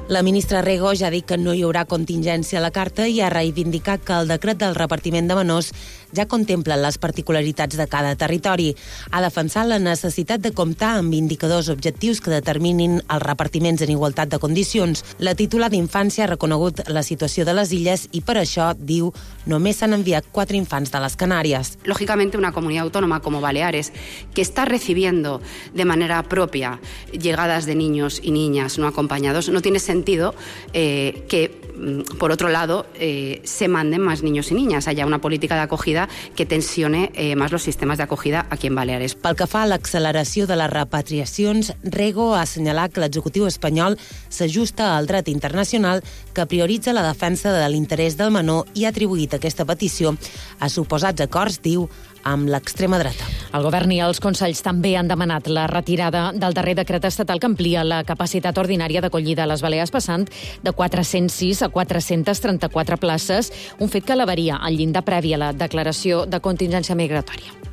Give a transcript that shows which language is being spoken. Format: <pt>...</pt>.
<ca>La ministra Rego ja ha dit que no hi haurà contingència a la carta i ha reivindicat que el decret del repartiment de menors ja contempla les particularitats de cada territori. Ha defensat la necessitat de comptar amb indicadors objectius que determinin els repartiments en igualtat de condicions. La titular d'Infància ha reconegut la situació de les illes i per això, diu, només s'han enviat 4 infants de les Canàries.</ca> <es>Lógicamente, una comunidad autónoma como Baleares, que está recibiendo de manera propia llegadas de niños y niñas no acompañados, no tiene sentido que, por otro lado, se manden más niños y niñas. Haya una política de acogida que tensione más los sistemas de acogida aquí en Baleares.</es> <ca>Pel que fa a l'acceleració de les repatriacions, Rego ha assenyalat que l'executiu espanyol s'ajusta al dret internacional que prioritza la defensa de l'interès del menor i ha atribuït aquesta petició a suposats acords, diu, amb l'extrema dreta. El govern i els consells també han demanat la retirada del darrer decret estatal que amplia la capacitat ordinària d'acollida a les Balears, passant de 406 a 434 places, un fet que elevaria el llindar previ a la declaració de contingència migratòria.</ca>